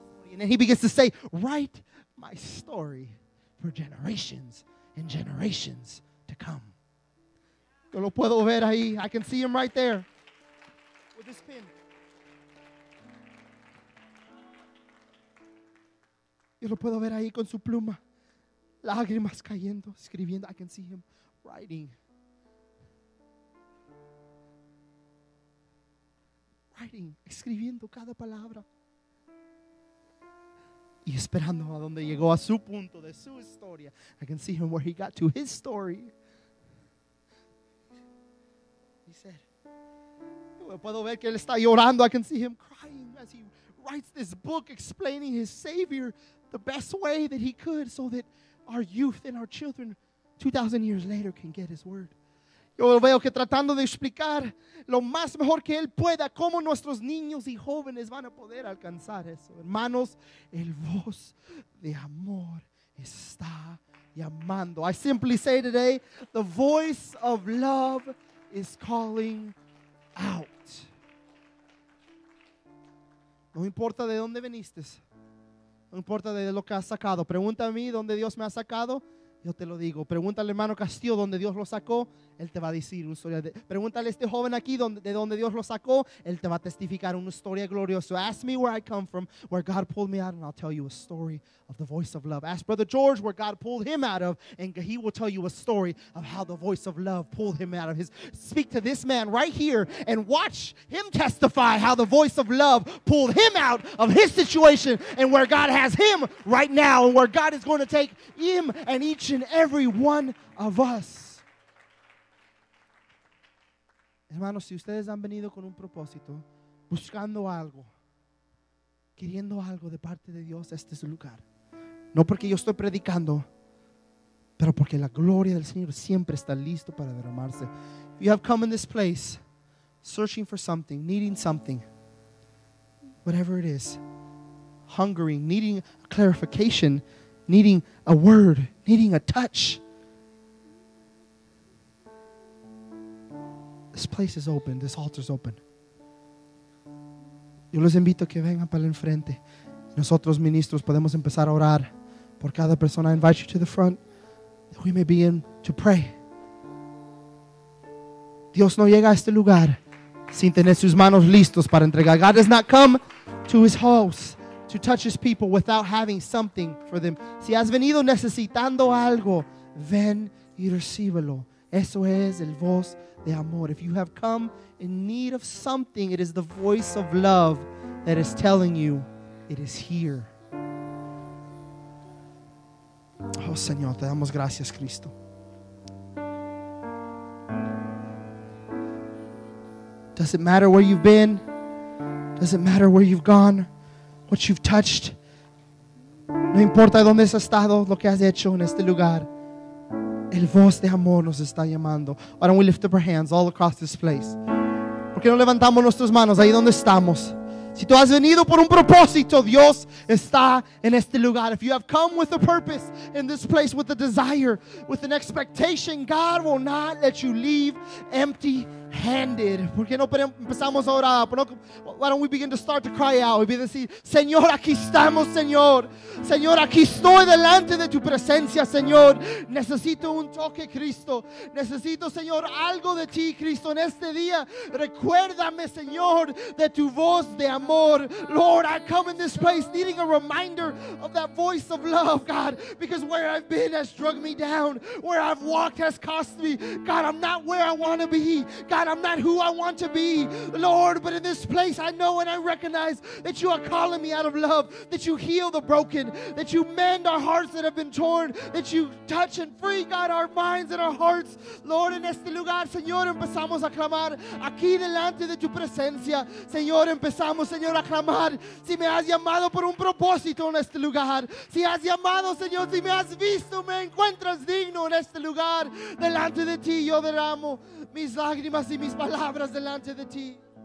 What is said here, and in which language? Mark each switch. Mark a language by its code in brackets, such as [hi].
[en] And then he begins to say, write my story for generations and generations to come. [es] Yo lo puedo ver ahí. [en] I can see him right there with his pen. [es] Yo lo puedo ver ahí con su pluma. Lágrimas cayendo, escribiendo. [en] I can see him writing. Writing, [es] escribiendo cada palabra. Y esperando a donde llegó a su punto de su historia. [en] I can see him where he got to his story. He said, [es] puedo ver que él está llorando. [en] I can see him crying as he writes this book explaining his Savior the best way that he could so that our youth and our children 2,000 years later can get his word. [es] Yo veo que tratando de explicar lo más mejor que él pueda, cómo nuestros niños y jóvenes van a poder alcanzar eso. Hermanos, el voz de amor está llamando. [en] I simply say today, the voice of love is calling out. [es] No importa de dónde viniste, no importa de lo que has sacado. Pregunta a mí dónde Dios me ha sacado. Yo te lo digo. Pregúntale al hermano Castillo donde Dios lo sacó. Él te va a decir una historia. Pregúntale a este joven aquí de donde Dios lo sacó. Él te va a testificar una historia gloriosa. [en] Ask me where I come from, where God pulled me out, and I'll tell you a story of the voice of love. Ask Brother George where God pulled him out of, and he will tell you a story of how the voice of love pulled him out of his. Speak to this man right here and watch him testify how the voice of love pulled him out of his situation and where God has him right now and where God is going to take him and each and every one of us. [es] Hermanos, si ustedes han venido con un propósito, buscando algo, queriendo algo de parte de Dios, este es el lugar. No porque yo estoy predicando, pero porque la gloria del Señor siempre está listo para derramarse. [en] If you have come in this place, searching for something, needing something, whatever it is, hungering, needing a clarification, needing a word, needing a touch, this place is open. This altar is open. [es] Yo los invito a que vengan para el enfrente. Nosotros, ministros, podemos empezar a orar por cada persona. [en] I invite you to the front that we may begin to pray. [es] Dios no llega a este lugar sin tener sus manos listos para entregar. [en] God does not come to his house to touch his people without having something for them. [es] Si has venido necesitando algo, ven y recíbelo. Eso es el voz de amor. [en] If you have come in need of something, it is the voice of love that is telling you it is here. [es] Oh, Señor, te damos gracias, Cristo. [en] Does it matter where you've been? Does it matter where you've gone? What you've touched? [es] No importa dónde has estado, lo que has hecho en este lugar. El voz de amor nos está llamando. [en] Why don't we lift up our hands all across this place? [es] ¿Por qué no levantamos nuestras manos ahí donde estamos? Si tú has venido por un propósito, Dios está en este lugar. [en] If you have come with a purpose in this place, with a desire, with an expectation, God will not let you leave empty-handed. handed. [es] ¿Por qué no empezamos a orar? [en] Why don't we begin to start to cry out? [es] Y decir, Señor, aquí estamos, Señor. Señor, aquí estoy delante de tu presencia, Señor. Necesito un toque, Cristo. Necesito, Señor, algo de ti, Cristo. En este día, recuérdame, Señor, de tu voz de amor. [en] Lord, I come in this place needing a reminder of that voice of love, God. Because where I've been has drug me down. Where I've walked has cost me. God, I'm not where I want to be. God, I'm not who I want to be, Lord. But in this place, I know and I recognize that you are calling me out of love, that you heal the broken, that you mend our hearts that have been torn, that you touch and free, God, our minds and our hearts. [es] Lord, en este lugar, Señor, empezamos a clamar aquí delante de tu presencia. Señor, empezamos, Señor, a clamar si me has llamado por un propósito en este lugar. Si has llamado, Señor, si me has visto, me encuentras digno en este lugar. Delante de ti, yo derramo mis lágrimas y mis palabras delante de ti.